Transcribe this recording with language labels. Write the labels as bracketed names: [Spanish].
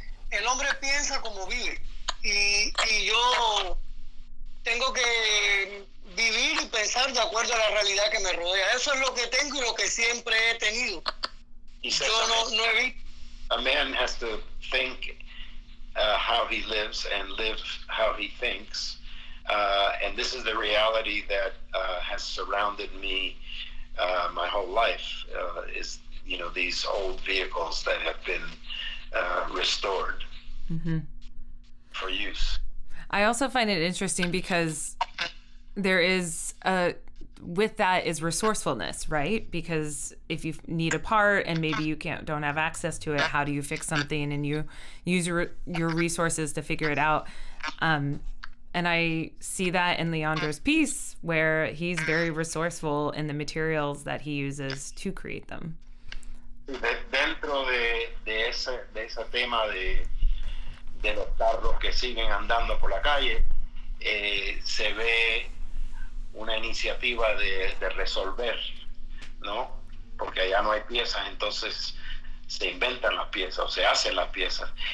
[Spanish] El hombre piensa como vive, y yo tengo que vivir y pensar de acuerdo a la realidad que me rodea. Eso es lo que tengo y lo que siempre he tenido. Yo no he visto. [English] A man has to think how he lives and live how he thinks. And this is the reality that has surrounded me my whole life, is, you know, these old vehicles that have been restored for use. I also find it interesting because there is a, with that is resourcefulness, right? Because if you need a part and maybe you don't have access to it, how do you fix something? And you use your resources to figure it out. And I see that in Leandro's piece, where he's very resourceful in the materials that he uses to create them. [Spanish] Dentro de ese tema de los carros que siguen andando por la calle, se ve una iniciativa de resolver, ¿no? Porque allá no hay piezas, entonces se inventan las piezas o se hacen las piezas.